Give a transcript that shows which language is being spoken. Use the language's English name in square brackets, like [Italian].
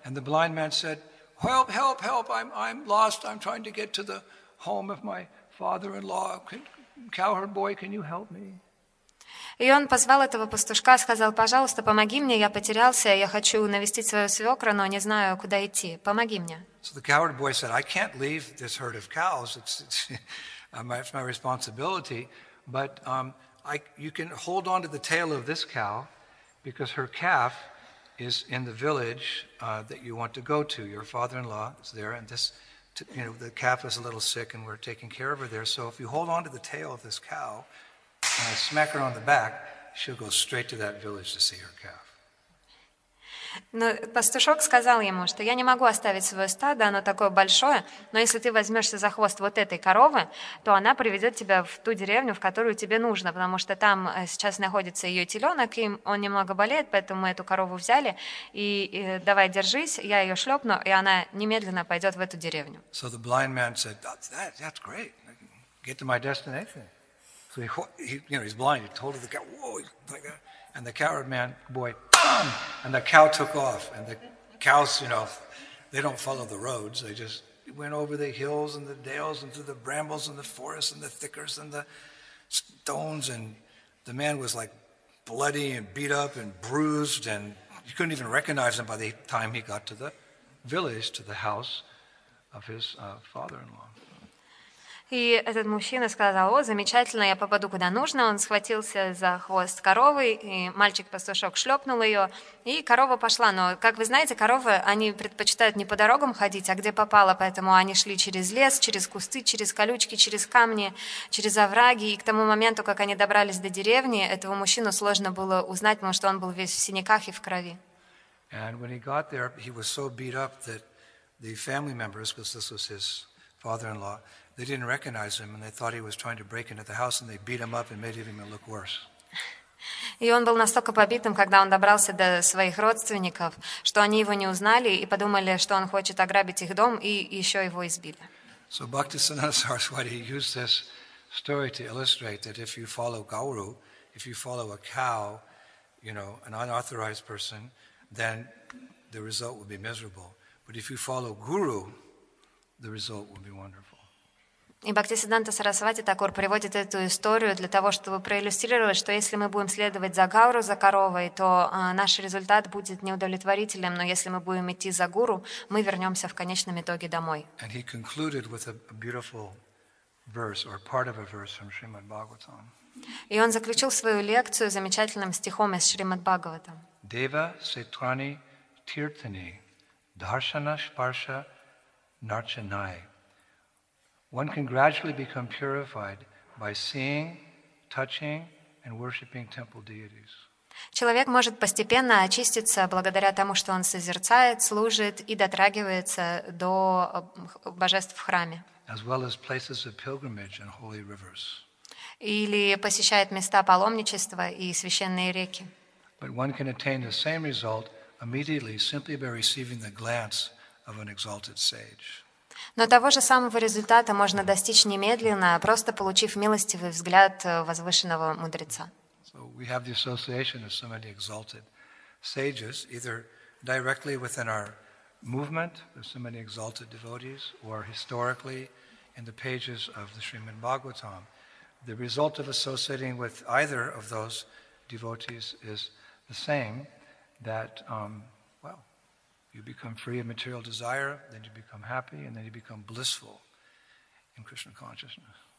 [English] And the blind man said, "Help, help, help! I'm lost. I'm trying to get to the home of my father-in-law. Cowherd boy, can you help me?" [Russian] И он позвал этого пастушка, сказал, пожалуйста, помоги мне, я потерялся, я хочу навестить свою свекру, но не знаю, куда идти, помоги мне. [English] So the cowherd boy said, I can't leave this herd of cows, it's my responsibility, but you can hold on to the tail of this cow, because her calf is in the village that you want to go to. Your father-in-law is there, and this, you know, the calf is a little sick, and we're taking care of her there, so if you hold on to the tail of this cow, and I smack her on the back, she'll go straight to that village to see her calf. [Russian] Но пастушок сказал ему, что я не могу оставить свое стадо, оно такое большое, но если ты возьмешься за хвост вот этой коровы, то она приведет тебя в ту деревню, в которую тебе нужно, потому что там сейчас находится ее теленок, и он немного болеет, поэтому мы эту корову взяли, и давай держись, я ее шлепну, и она немедленно пойдет в эту деревню. [English] So the blind man said, that's great, get to my destination. So he's blind. He told the cow, "Whoa!" like that, and the cowherd man boy, bam! And the cow took off. And the cows, you know, they don't follow the roads. They just went over the hills and the dales and through the brambles and the forests and the thickers and the stones. And the man was like bloody and beat up and bruised, and you couldn't even recognize him by the time he got to the village, to the house of his father-in-law. [Russian] И этот мужчина сказал, о, замечательно, я попаду куда нужно. Он схватился за хвост коровы, и мальчик-пастушок шлепнул ее, и корова пошла. Но, как вы знаете, коровы, они предпочитают не по дорогам ходить, а где попало, поэтому они шли через лес, через кусты, через колючки, через камни, через овраги. И к тому моменту, как они добрались до деревни, этого мужчину сложно было узнать, потому что он был весь в синяках и в крови. [English] And when he got there, he was so beat up that the family members, because this was his father-in-law, they didn't recognize him, and they thought he was trying to break into the house, and they beat him up and made him even look worse. [Russian] И он был настолько побитым, когда он добрался до своих родственников, что они его не узнали и подумали, что он хочет ограбить их дом, и еще его избили. [English] So Bhaktisiddhanta Saraswati used this story to illustrate that if you follow Gauru, if you follow a cow, you know, an unauthorized person, then the result would be miserable. But if you follow Guru, the result would be wonderful. [Russian] И Бхактисиддханта Сарасвати Такур приводит эту историю для того, чтобы проиллюстрировать, что если мы будем следовать за гауру, за коровой, то наш результат будет неудовлетворительным, но если мы будем идти за гуру, мы вернемся в конечном итоге домой. [English] And he concluded with a beautiful verse or part of a verse from Shrimad Bhagavatam. [Russian] И он заключил свою лекцию замечательным стихом из Шримад Бхагаватам. [Sanskrit] Deva Setrani Tirthani Darshana Sparsha Narchanai. [English] One can gradually become purified by seeing, touching, and worshipping temple deities. [Russian] Человек может постепенно очиститься благодаря тому, что он созерцает, служит и дотрагивается до божеств в храме. [English] As well as places of pilgrimage and holy rivers. [Russian] или посещает места паломничества и священные реки. [English] But one can attain the same result immediately simply by receiving the glance of an exalted sage. [Russian] Но того же самого результата можно достичь немедленно, просто получив милостивый взгляд возвышенного мудреца. [English] So we have the association of so many exalted sages either directly within our movement, there's so many exalted devotees, or historically in the pages of the Srimad Bhagavatam. The result of associating with either of those devotees is the same, that, well, you become free of material desire, then you become happy, and then you become blissful in Krishna consciousness.